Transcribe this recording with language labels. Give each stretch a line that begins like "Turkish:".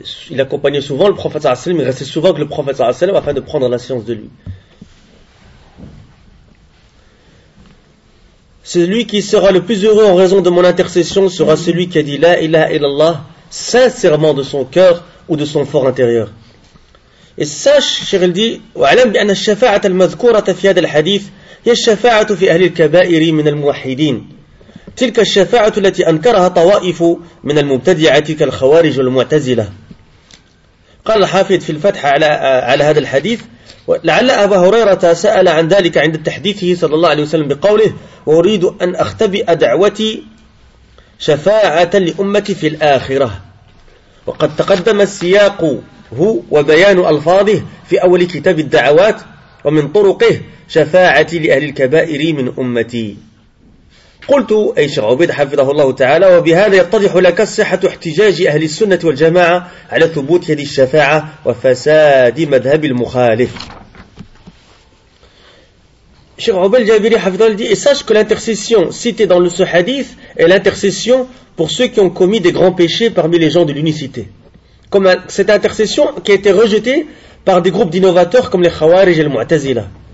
French: Il accompagnait souvent le prophète صلى الله عليه وسلم, il restait souvent avec le prophète صلى الله عليه وسلم afin de prendre la science de lui. Celui qui sera le plus heureux en raison de mon intercession sera celui qui a dit La ilaha illallah sincèrement de son cœur ou de son fort intérieur. Et sache,
Arabic: Cheikh Al-Di, وعلم بأن الشفاعة المذكورة في هذا الحديث هي الشفاعة في أهل الكبائر من الموحدين تلك الشفاعة التي أنكرها طوائف من المبتدعة كالخوارج والمعتزلة. قال الحافظ في الفتح على هذا الحديث لعل أبا هريرة سأل عن ذلك عند تحديثه صلى الله عليه وسلم بقوله وأريد أن أختبئ دعوتي شفاعة لأمتي في الآخرة. وقد تقدم السياق هو وبيان ألفاظه في أول كتاب الدعوات ومن طرقه شفاعتي لأهل الكبائر من أمتي. قلت أي شيخ عبيد حفظه الله تعالى وبهذا يتضح لك صحة احتجاج أهل السنة والجماعة على ثبوت هذه الشفاعة وفساد مذهب المخالف.
French: Cheikh Oubel Jabiri Hafidhullah dit, et sache que l'intercession citée dans ce hadith est l'intercession pour ceux qui ont commis des grands péchés parmi les gens de l'unicité. Comme cette intercession qui a été rejetée par des groupes d'innovateurs comme les Khawarij et les Mu'tazila.